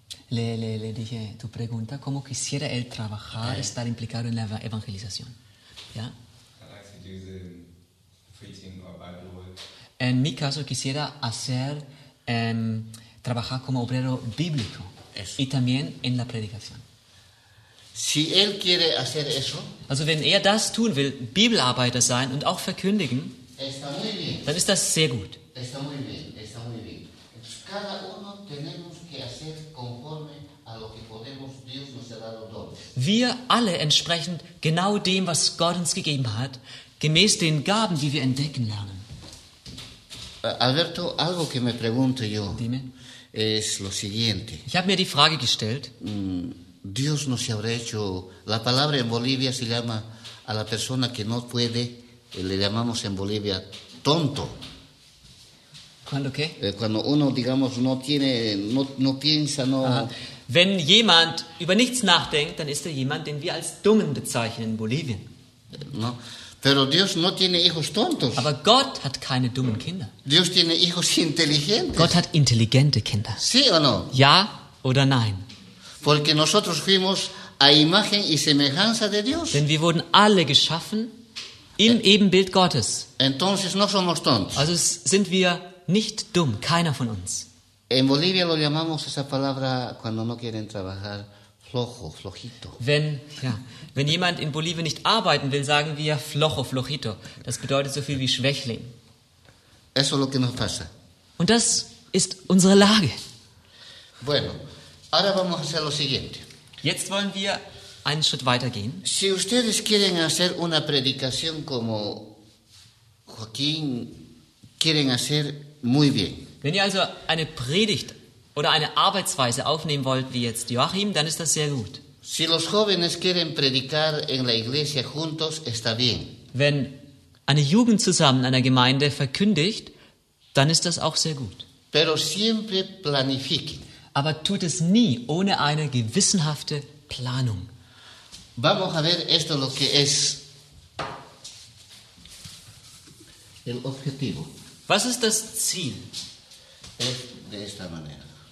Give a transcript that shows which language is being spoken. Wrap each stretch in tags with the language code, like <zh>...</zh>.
<es>Le dije tu pregunta, ¿cómo quisiera él trabajar, okay, estar implicado en la evangelización?</es> <en>Yeah? I'd like to do the preaching or Bible work.</en> <es>En mi caso, quisiera hacer, trabajar como obrero bíblico. Eso. Y también en la predicación. Si él quiere hacer eso,</es> <de>also wenn er das tun will, Bibelarbeiter sein und auch verkündigen,</de> <es>está muy bien.</es> <de>Dann ist das sehr gut.</de> <es>Está muy bien. Está muy bien. Cada uno tenemos que hacer conforme a lo que podemos. Dios nos ha dado dones.</es> <de>Wir alle entsprechend genau dem, was Gott uns gegeben hat, gemäß den Gaben, die wir entdecken lernen.</de> <es>Alberto, algo que me pregunto yo. Dime. Es lo siguiente.</es> <de>Ich habe mir die Frage gestellt.</de> <es>Dios nos habrá hecho. La palabra en Bolivia se llama a la persona que no puede, le llamamos en Bolivia tonto. Cuando qué? Cuando uno, digamos, no tiene, no piensa, no. Aha.</es> <de>Wenn jemand über nichts nachdenkt, dann ist er jemand, den wir als Dummen bezeichnen in Bolivien.</de> <es>No. Pero Dios no tiene hijos tontos.</es> <de>Aber Gott hat keine dummen Kinder.</de> <es>Dios tiene hijos inteligentes.</es> <de>Gott hat intelligente Kinder.</de> <es>Sí o no?</es> <de>Ja oder nein?</de> <es>Porque nosotros fuimos a imagen y semejanza de Dios.</es> <de>Denn wir wurden alle geschaffen im Ebenbild Gottes.</de> <es>Entonces no somos tontos.</es> <de>Also sind wir nicht dumm, keiner von uns.</de> <es>En Bolivia lo llamamos esa palabra cuando no quieren trabajar, flojo, flojito.</es> <de>Wenn jemand in Bolivien nicht arbeiten will, sagen wir flojo, flojito. Das bedeutet so viel wie Schwächling.</de> <es>Eso es lo que nos pasa.</es> <de>Und das ist unsere Lage.</de> <es>Bueno, ahora vamos a hacer lo siguiente.</es> <de>Jetzt wollen wir einen Schritt weitergehen.</de> <es>Si ustedes quieren hacer una predicación como Joaquín, quieren hacer muy bien.</es> <de>Wenn ihr also eine Predigt oder eine Arbeitsweise aufnehmen wollt, wie jetzt Joachim, dann ist das sehr gut.</de> <es>Si los jóvenes quieren predicar en la iglesia juntos, está bien.</es> <de>Wenn eine Jugend zusammen in einer Gemeinde verkündigt, dann ist das auch sehr gut.</de> <es>Pero siempre planifiquen.</es> <de>Aber tut es nie ohne eine gewissenhafte Planung.</de> <es>Vamos a ver esto lo que es el objetivo.</es> <de>Was ist das Ziel?</de> <es>Es de esta manera.</es>